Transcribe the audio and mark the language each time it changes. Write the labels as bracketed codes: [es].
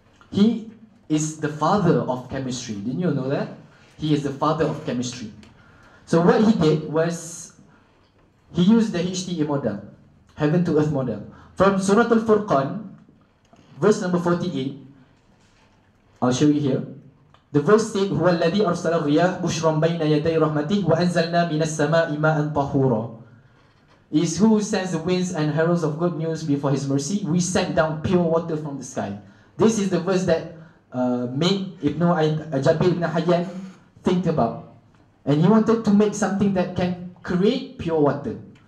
[en] He is the father of chemistry. Didn't you know that? He is the father of chemistry. So what he did was, he used the HTE model, Heaven to Earth model. From Surah Al-Furqan, verse number 48, I'll show you here. The verse said, [ar] هو الذي أرسل الرياح بشرا بين يدي رحمته وأنزلنا من السماء ماء طهورا. [en] Is who sends the winds and heralds of good news before his mercy. We sent down pure water from the sky. This is the verse that made Ibn Jabir ibn Hayyan think about. And he wanted to make something that can create pure water.